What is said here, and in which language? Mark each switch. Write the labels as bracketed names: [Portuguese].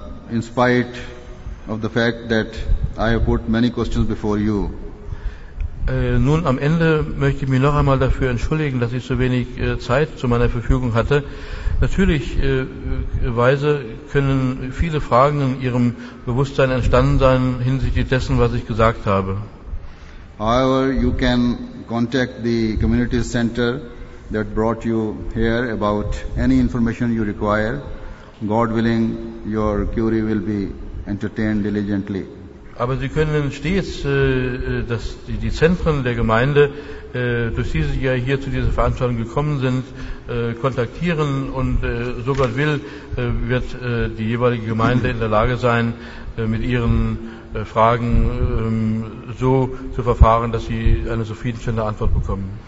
[English] In spite of the fact that I have put many questions before you. [German] Nun am Ende möchte ich mich noch einmal dafür entschuldigen, dass ich so wenig Zeit zu meiner Verfügung hatte. Natürlich weise können viele Fragen in Ihrem Bewusstsein entstanden sein hinsichtlich dessen, was ich gesagt habe. [English] However, you can contact the community center that brought you here about any information you require. God willing, your query will be entertained diligently. [German] Aber Sie können stets die Zentren der Gemeinde, durch die Sie ja hier zu dieser Veranstaltung gekommen sind, kontaktieren und so Gott will, wird die jeweilige Gemeinde in der Lage sein, mit ihren Fragen so zu verfahren, dass Sie eine zufriedenstellende Antwort bekommen.